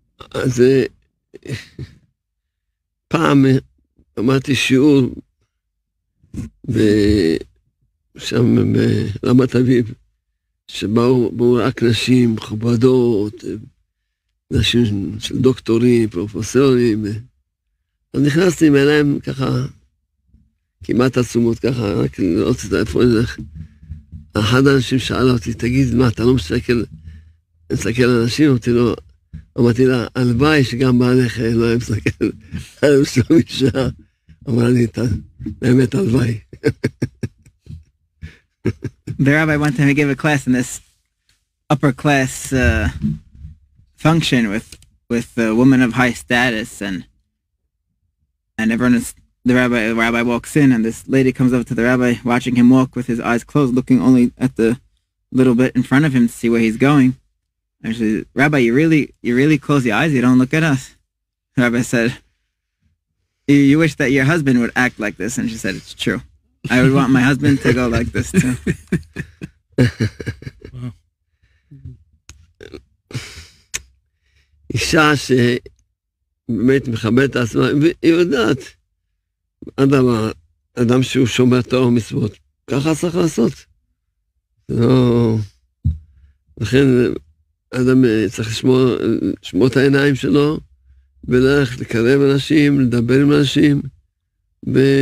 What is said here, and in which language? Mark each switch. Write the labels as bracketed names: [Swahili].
[Hebrew] אז פעם אמרתי שיעור שם ברמת אביב, שבאו רק נשים מכובדות, נשים של דוקטורים, פרופסורים, אז נכנסתי אליהם ככה, כמעט עצומות ככה, רק לראות את איפה אני הולך. אחד האנשים שאל אותי, תגיד, מה, אתה לא מסתכל על אנשים? אמרתי לה, הלוואי שגם בעליך לא היה מסתכל על שום אישה. אמרה לי, באמת, הלוואי. [English] The rabbi one time he gave a class in this upper class function with a woman of high status and everyone is... The rabbi walks in and this lady comes up to the rabbi watching him walk with his eyes closed, looking only at the little bit in front of him to see where he's going. And she says, Rabbi, you really close your eyes, you don't look at us. The rabbi said, you wish that your husband would act like this. And she said, it's true. I would want my husband to go like this too. Wow. [Hebrew] אדם שהוא שומר תורה ומצוות, ככה צריך לעשות. לא, לכן אדם צריך לשמור, לשמור את העיניים שלו, ולך לקרב אנשים, לדבר עם אנשים, ו...